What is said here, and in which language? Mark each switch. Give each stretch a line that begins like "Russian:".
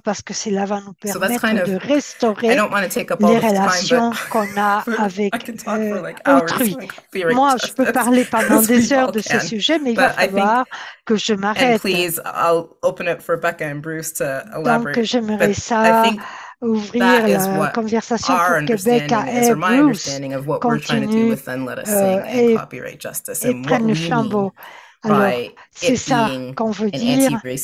French: Parce que cela va nous permettre de restaurer les relations qu'on a avec autrui. Moi, je peux parler pendant des heures de ce sujet, mais il va falloir que je m'arrête.
English: I'll open it for Becca and Bruce to elaborate.
French: Donc, j'aimerais ça ouvrir la conversation pour que Becca et Bruce continuent et prennent le flambeau. Alors, c'est ça qu'on veut dire.